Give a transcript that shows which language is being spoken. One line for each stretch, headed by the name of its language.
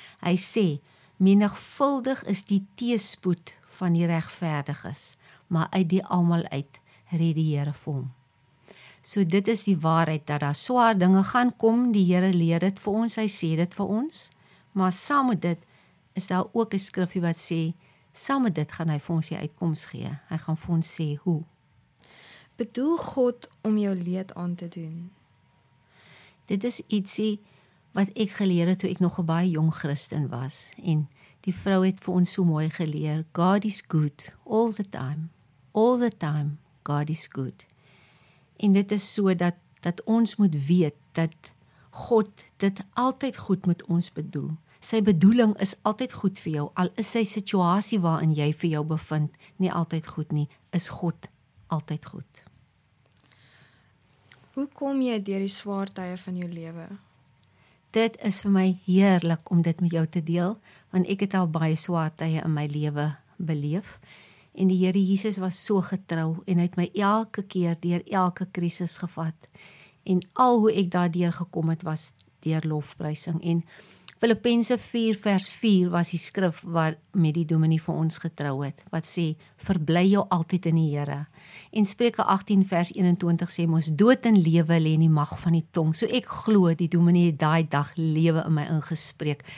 Afrikaans: Hy sê, menigvuldig is die teespoed van die regverdig is, maar uit die almal uit red die Here vir hom. So dit is die waarheid dat daar swaar dinge gaan kom, die Here leer dit vir ons, hy sê dit vir ons, maar saam met dit is daar ook 'n skrifgie wat sê, saam met dit gaan hy vir ons die uitkoms gee, hy gaan vir ons sê hoe. Bedoel God om jou leed aan te doen? Dit is ietsie wat ek geleer het toe ek nog 'n baie jong Christen was en die vrou het vir ons so mooi geleer,
English: God is good, all the time, God is good.
Afrikaans: En dit is so dat ons moet weet, dat God dit altyd goed met ons bedoel. Sy bedoeling is altyd goed vir jou, al is sy situasie waarin jy vir jou bevind, nie altyd goed nie, is God altyd goed. Hoe kom jy deur die swaar tye van jou lewe? Dit is vir my heerlik om dit met jou te deel, want ek het al baie swaar tye in my lewe beleef. En die Here Jesus was so getrou en hy het my elke keer deur elke krisis gevat. En al hoe ek daardeur gekom het was deur lofprysing. En Filippense 4 vers 4 was die skrif wat met die dominee vir ons getrou het, wat sê, verbly jou altyd in die Here. En Spreuke 18 vers 21 sê, mos dood en lewe lê in die mag van die tong. So ek glo die dominee het daai dag lewe in my ingespreek.